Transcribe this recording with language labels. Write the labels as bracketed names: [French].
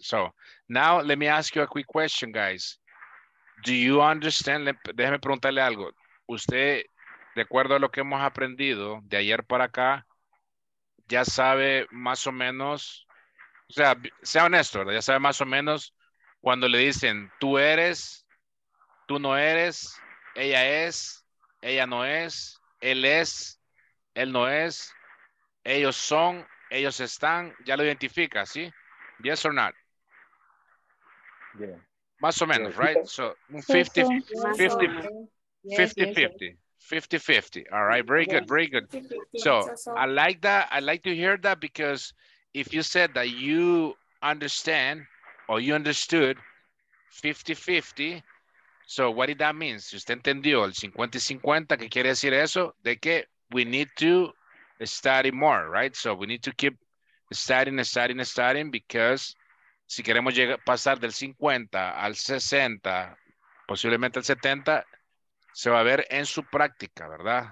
[English] So now let me ask you a quick question, guys. Do you understand? [Spanish] Déjeme preguntarle algo. Usted, de acuerdo a lo que hemos aprendido de ayer para acá, ya sabe más o menos, o sea, sea honesto, ¿verdad? Ya sabe más o menos cuando le dicen tú eres, tú no eres, ella es, ella no es, él no es, ellos son, ellos están, ya lo identifica, ¿sí? [English] Yes or not? Yeah. [Spanish] Más o menos, [English] yeah. Right? So, 50-50. All right, very good, very good. So, I like that. I like to hear that because if you said that you understand or you understood 50-50, so what did that mean? [Spanish] Si usted entendió el 50-50, ¿qué quiere decir eso? De que [English] we need to study more, right? So, we need to keep studying because [Spanish] si queremos llegar, pasar del 50 al 60, posiblemente al 70, se va a ver en su práctica, ¿verdad?